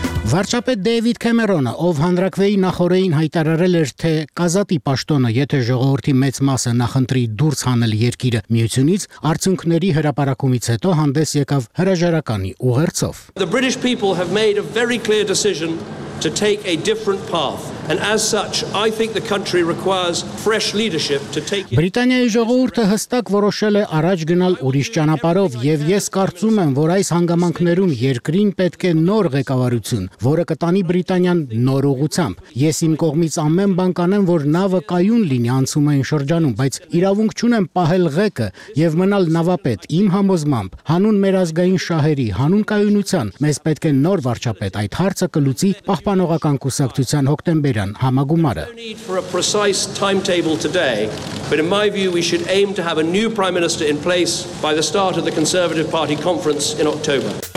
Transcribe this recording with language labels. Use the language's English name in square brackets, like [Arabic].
[Armenian] Վարչապետ Դեյվիդ Քեմերոնը, ով հանրաքվեի նախորդին հայտարարել էր, թե կազատի պաշտոնը, եթե ժողովրդի մեծ մասը նախընտրի դուրս հանել երկիրը միությունից, արդյունքների հրապարակումից հետո հանդես եկավ հրաժարականի ուղերձով։ [English] The British people have made a very clear decision to take a different path. And as such, I think the country requires fresh leadership to take it. [Armenian] Բրիտանիայի ժողովուրդը հստակ որոշել է առաջ գնալ ուրիշ ճանապարով, եւ ես կարծում եմ, որ այս հանգամանքներում երկրին պետք է նոր ղեկավարություն, որը կտանի Բրիտանիան նոր ուղությամբ։ Ես իմ կողմից ամեն բան կանեմ, որ նավը կայուն լինի անցումային շրջանում, բայց իրավունք չունեմ պահել ղեկը եւ մնալ նավապետ իմ համոզմամբ, հանուն մեր ազգային շահերի, հանուն կայունության։ Մեզ պետք է նոր վարչապետ, այդ հարցը կլուծի պահպանողական կուսակցության հոգտեմբերին Բերան համագումարը. [English] For a precise timetable today, but in my view we should aim to have a new prime minister in place by the start of the Conservative Party conference in October.